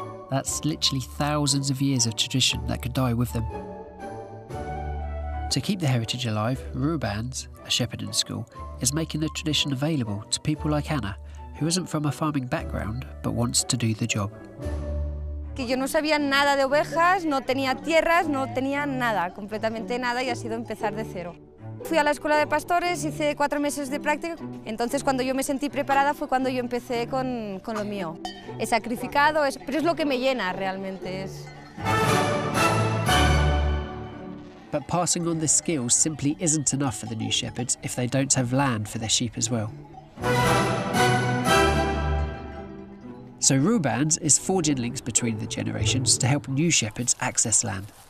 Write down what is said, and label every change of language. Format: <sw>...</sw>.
<en>That's literally thousands of years of tradition that could die with them. To keep the heritage alive, Rubens, a shepherding school, is making the tradition available to people like Anna, who isn't from a farming background but wants to do the job.</en> <es>Que yo no sabía nada de ovejas, no tenía tierras, no tenía nada, completamente nada, y ha sido empezar de cero. Fui a la escuela de pastores, hice 4 meses de práctica. Entonces, cuando yo me sentí preparada, fue cuando yo empecé con lo mío. He sacrificado, pero es lo que me llena realmente.</es> <en>But passing on the skills simply isn't enough for the new shepherds if they don't have land for their sheep as well. So Rubens is forging links between the generations to help new shepherds access land.</en>